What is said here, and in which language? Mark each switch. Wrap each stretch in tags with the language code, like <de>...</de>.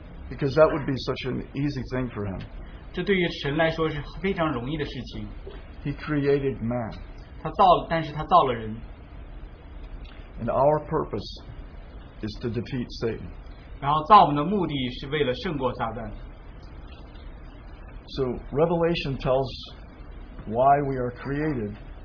<en>Because that would be such an easy thing for him. He created man.</en> <zh>但是他造了人。</zh> <en>And our purpose is to defeat Satan.</en> <zh>然后造我们的目的是为了胜过撒旦。</zh> <en>So Revelation tells why we are created.</en>